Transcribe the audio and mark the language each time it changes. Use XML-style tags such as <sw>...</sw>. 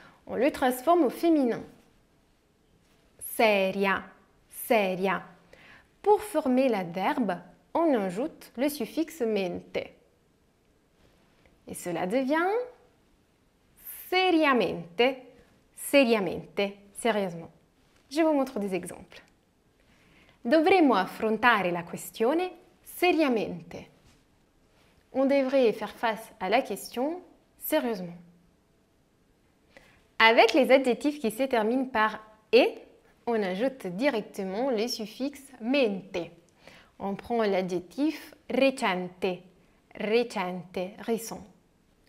<fr>On le transforme au féminin. Seria, seria. Pour former l'adverbe, on ajoute le suffixe mente. Et cela devient seriamente, seriamente, sérieusement. Je vous montre des exemples.</fr> <it>Dovremmo affrontare la questione seriamente.</it> <fr>On devrait faire face à la question sérieusement. Avec les adjectifs qui se terminent par « e », on ajoute directement le suffixe « mente ». On prend l'adjectif « recente », « recente », « récent ».</fr>